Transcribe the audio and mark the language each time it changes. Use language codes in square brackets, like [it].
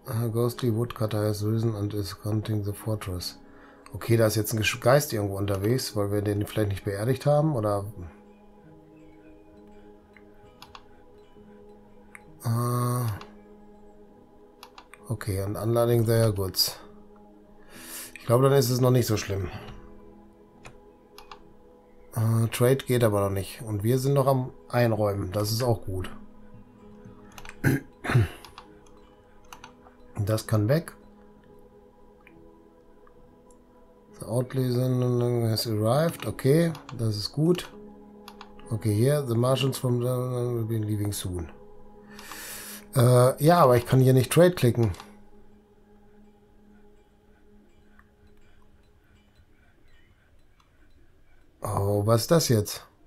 [en] Ghostly Woodcutter has risen and is hunting the fortress. [de] Okay, da ist jetzt ein Geist irgendwo unterwegs, weil wir den vielleicht nicht beerdigt haben, oder? [en] Okay, and unloading their goods. [de] Ich glaube, dann ist es noch nicht so schlimm. Trade geht aber noch nicht. Und wir sind noch am Einräumen. Das ist auch gut. Das kann weg. [en] The Outlay has arrived. [de] Okay, das ist gut. Okay, hier. [en] The Martians from the will be leaving soon. [de] Ja, aber ich kann hier nicht Trade klicken. Oh, was ist das jetzt?